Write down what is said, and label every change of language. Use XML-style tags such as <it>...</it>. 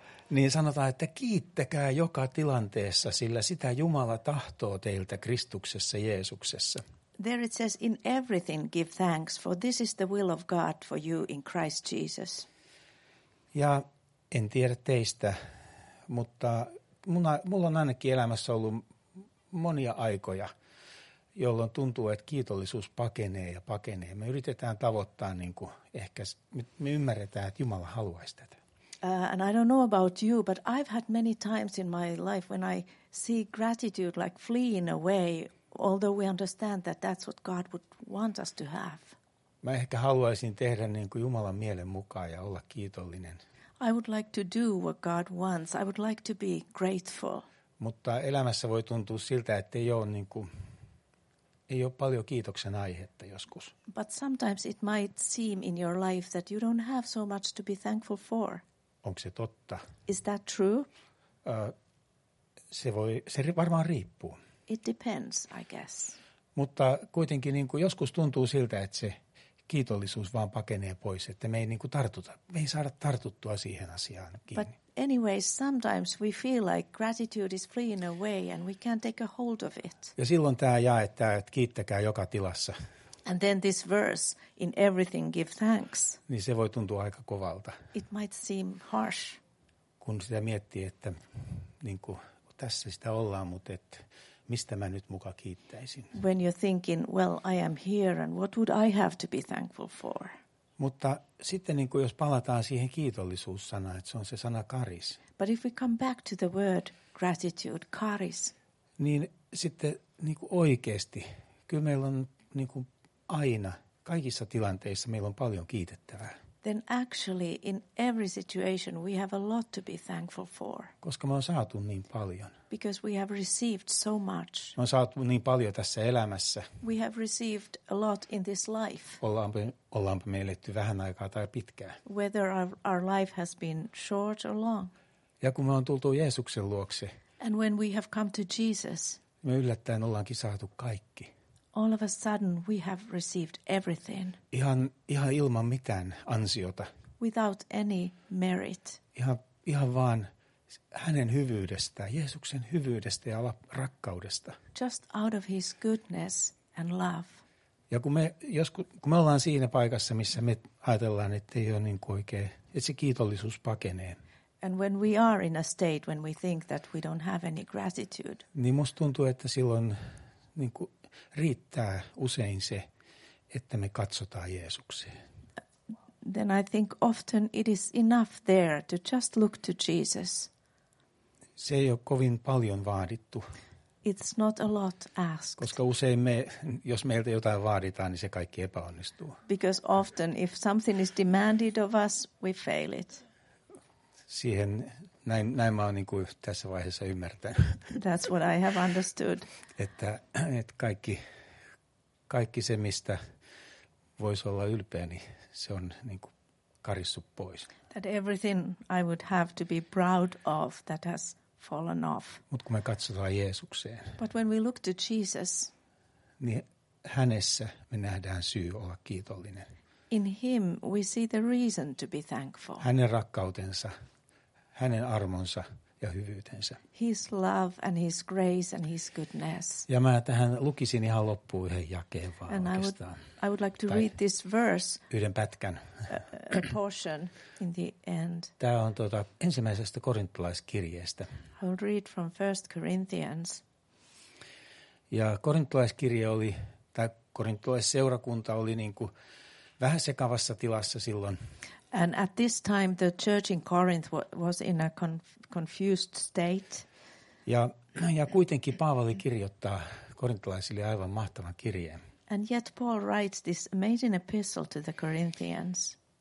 <fi>Niin sanotaan, että kiittäkää joka tilanteessa, sillä sitä Jumala tahtoo teiltä Kristuksessa Jeesuksessa.</fi> <en>There it says, in everything give thanks, for this is the will of God for you in Christ Jesus.</en> <fi>Ja en tiedä teistä, mutta mulla on ainakin elämässä ollut monia aikoja, jolloin tuntuu, että kiitollisuus pakenee ja pakenee. Me yritetään tavoittaa, niin kuin ehkä me ymmärretään, että Jumala haluaisi tätä.</fi> <en>And I don't know about you, but I've had many times in my life when I see gratitude like fleeing away, although we understand that that's what God would want us to have.</en> <fi>Mä ehkä haluaisin tehdä niin kuin Jumalan mielen mukaan ja olla kiitollinen.</fi> <en>I would like to do what God wants. I would like to be grateful.</en> <fi>Mutta elämässä voi tuntua siltä, että ei ole paljon kiitoksen aihetta joskus.</fi> <en>But sometimes it might seem in your life that you don't have so much to be thankful for.</en> <fi>Onko se totta?</fi> <en>Is that true?</en> <fi>Se varmaan riippuu.</fi> <en>It depends, I guess.</en> <fi>Mutta kuitenkin niin kuin joskus tuntuu siltä, että se kiitollisuus vaan pakenee pois, että me ei niin kuin tartuta, me ei saada tartuttua siihen asiaan kiinni.</fi> <en>But anyway, sometimes we feel like gratitude is fleeing away and we can't take a hold of it.</en> <fi>Ja silloin tämä jae, että kiittäkää joka tilassa.</fi> <en>And then this verse, in everything give thanks.</en> <fi>Niin se voi tuntua aika kovalta.</fi> <en>It might seem harsh.</en> <fi>Kun sitä miettii, että niin kuin, tässä sitä ollaan, mutta et, mistä mä nyt muka kiittäisin.</fi> <en>When you're thinking, well, I am here and what would I have to be thankful for?</en> <fi>Mutta sitten niin kuin, jos palataan siihen kiitollisuussanaan, että se on se sana karis.</fi> <en>But if we come back to the word gratitude, karis.</en> <fi>Niin sitten niin kuin oikeasti, kyllä meillä on niin kuin aina, kaikissa tilanteissa meillä on paljon kiitettävää.</fi> <en>Then actually, in every situation, we have a lot to be thankful for.</en> <fi>Koska me on saatu niin paljon.</fi> <en>Because we have received so much.</en> <fi>Me on saatu niin paljon tässä elämässä.</fi> <en>We have received a lot in this life.</en> <fi>Ollaanpa me eletty vähän aikaa tai pitkään.</fi> <en>Whether our life has been short or long.</en> <fi>Ja kun me on tultu Jeesuksen luokse.</fi> <en>And when we have come to Jesus.</en> <fi>Me yllättäen ollaankin saatu kaikki.</fi> <en>All of a sudden we have received everything.</en> <fi>Ihan ilman mitään ansiota.</fi> <en>Without any merit.</en> <fi>Ihan vaan hänen hyvyydestään, Jeesuksen hyvyydestä ja rakkaudesta.</fi> <en>Just out of his goodness and love.</en> <fi>Ja kun me ollaan siinä paikassa, missä me ajatellaan, että ei ole niin kuin oikein, että se kiitollisuus pakenee.</fi> <en>And when we are in a state when we think that we don't have any gratitude.</en> <fi>Niin musta tuntuu, että silloin niin kuin riittää usein se, että me katsotaan Jeesukseen.</fi> <en>Then I think often it is enough there to just look to Jesus.</en> <fi>Se ei ole kovin paljon vaadittu.</fi> <en>It's not a lot asked.</en> <fi>Koska usein me, jos meiltä jotain vaaditaan, niin se kaikki epäonnistuu.</fi> <en>Because often if something is demanded of us, we fail it.</en> <fi>Siihen näin mä oon niin kuin tässä vaiheessa ymmärtänyt.</fi> <en>That's what I have understood.</en> <fi>Että kaikki kaikki se, mistä voisi olla ylpeä, niin se on niin kuin karissut pois.</fi> <en>That everything I would have to be proud of that has fallen off.</en> <fi>Mut kun me katsotaan Jeesukseen.</fi> <en>But when we look to Jesus.</en> <fi>Niin hänessä me nähdään syy olla kiitollinen.</fi> <en>In him we see the reason to be thankful.</en> <fi>Hänen rakkautensa, hänen armonsa ja hyvyytensä.</fi> <en>His love and his grace and his goodness.</en> <fi>Ja mä tähän lukisin ihan loppuun yhden jakeen vaan and oikeastaan.</fi> <en>I would like to read this verse.</en> <fi>Yhden pätkän.</fi> <en>A portion in the end.</en> <fi>Tämä on ensimmäisestä korintolaiskirjeestä.</fi> <en>I will read from 1 Corinthians.</en> <fi>Ja korintolaiskirje oli, tai korintolaisseurakunta oli niin kuin vähän sekavassa tilassa silloin.</fi> <en>And at this time the church in Corinth was in a confused state.</en> <fi>Ja kuitenkin Paavali kirjoittaa korintolaisille aivan mahtavan kirjeen.</fi> <en>And yet Paul writes this amazing epistle to the Corinthians.</en>